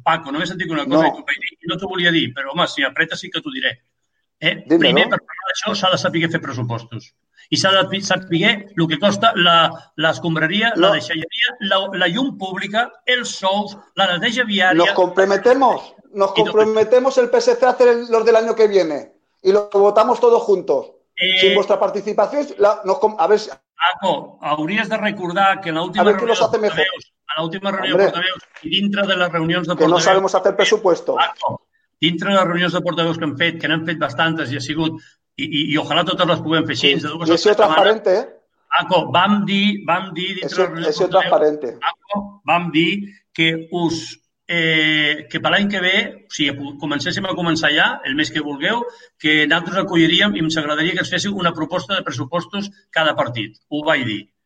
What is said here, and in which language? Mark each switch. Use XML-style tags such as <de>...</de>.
<ca>Paco, només et dic una cosa no t'ho volia dir, però home, si apretes sí que t'ho diré. Primer, per parlar d'això, s'ha de saber fer pressupostos. I s'ha de saber el que costa l'escombraria, la deixalleria, la llum pública, els sous, la neteja viària...</ca> <es>Nos comprometemos el PSC a hacer los del año que viene. Y lo votamos todos juntos. Sin vuestra participación,</es> <ca>Paco, hauries de recordar que en l'última reunió... I dintre de les reunions de portaveus...</ca> <es>Que no sabemos hacer presupuesto.</es> <ca>Paco, dintre de les reunions de portaveus que hem fet, que n'hem fet bastantes i ha sigut... I ojalà totes les puguem fer així. I això és transparent, eh? Paco, vam dir dintre de les reunions de portaveus... Paco, vam dir que que per l'any que ve, si comencéssim a començar ja, el mes que vulgueu, que nosaltres acolliríem i ens agradaria que ens féssiu una proposta de pressupostos cada partit. Ho vaig dir.</ca>